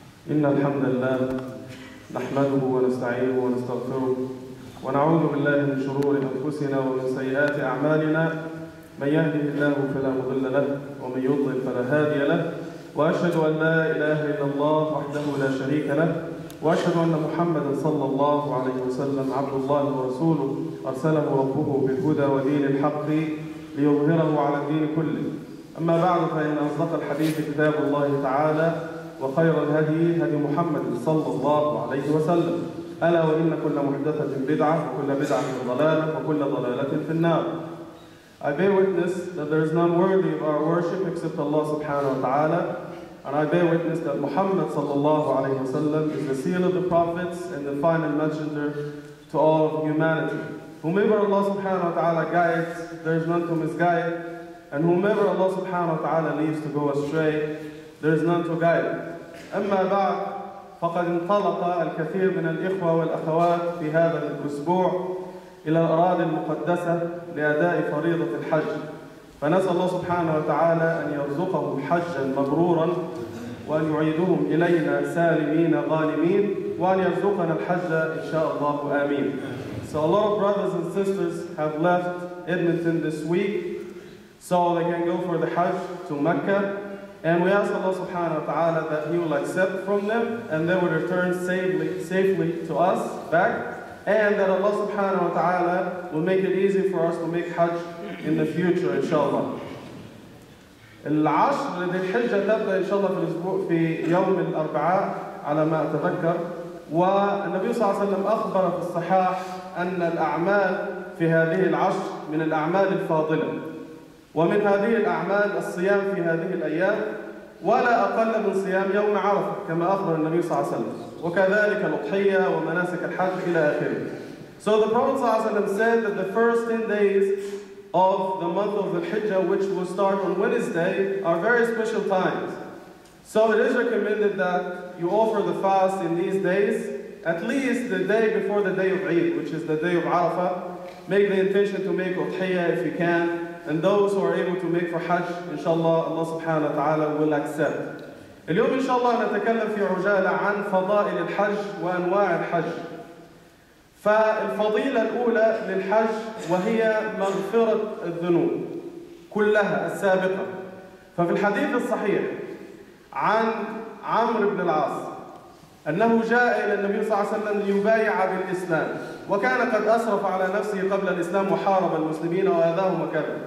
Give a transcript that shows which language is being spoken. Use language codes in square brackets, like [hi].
[ar] إن الحمد لله نحمده ونستعينه ونستغفره ونعوذ بالله من شرور أنفسنا ومن سيئات أعمالنا من يهده الله فلا مضل له ومن يضلل فلا هادي له وأشهد أن لا إله إلا الله وحده لا شريك له وأشهد أن محمدا صلى الله عليه وسلم عبد الله ورسوله أرسله ربه بالهدى ودين الحق ليظهره على الدين كله أما بعد فإن أصدق الحديث كتاب الله تعالى وخير الهدي هدي محمد صلى الله عليه وسلم ألا وإن كل محدثة بدعة وكل بدعة ضلالة وكل ضلالة في النار. [en] I bear witness that there is none worthy of our worship except Allah subhanahu wa ta'ala, and I bear witness that Muhammad sallallahu alayhi wa sallam is the seal of the prophets and the final messenger to all of humanity. Whomever Allah subhanahu wa ta'ala guides, there is none to misguide, and whomever Allah subhanahu wa ta'ala leaves to go astray, there is none to guide. [ar] أما بعد فقد انطلق الكثير من الإخوة والأخوات في هذا الأسبوع إلى الأراضي المقدسة لأداء فريضة الحج فنسأل الله سبحانه وتعالى أن يرزقهم حجا مبرورا وأن يعيدهم إلينا سالمين غانمين وأن يرزقنا الحج إن شاء الله آمين. [en] So a lot of brothers and sisters have left Edmonton this week so they can go for the Hajj to Mecca. And we ask Allah subhanahu wa ta'ala that He will accept from them and they will return safely to us back. And that Allah subhanahu wa ta'ala will make it easy for us to make Hajj in the future, inshallah. [ar] العشر ذي الحجة تبدأ إن شاء الله في الأسبوع في يوم الأربعاء على ما أتذكر. والنبي صلى الله عليه وسلم أخبر في الصحاح أن الأعمال في هذه العشر من الأعمال الفاضلة. ومن هذه الأعمال الصيام في هذه الأيام ولا أقل من صيام يوم عرفة كما أخبر النبي صلى الله عليه وسلم وكذلك الأضحية ومناسك الحج إلى آخره. [en] So the Prophet [ar] صلى الله عليه وسلم [en] said that the first 10 days of the month of the Hijjah, which will start on Wednesday, are very special times. So it is recommended that you offer the fast in these days, at least the day before the day of Eid, which is the day of Arafah. Make the intention to make Udhiyah if you can. And those who are able to make for Hajj, inshallah, Allah subhanahu wa ta'ala will accept. [ar] اليوم إن شاء الله نتكلم في عجالة عن فضائل الحج وأنواع الحج. فالفضيلة الأولى للحج وهي مغفرة الذنوب كلها السابقة. ففي الحديث الصحيح عن عمرو بن العاص أنه جاء إلى النبي صلى الله عليه وسلم ليبايع بالإسلام وكان قد أسرف على نفسه قبل الإسلام وحارب المسلمين وأذاهم وكذا.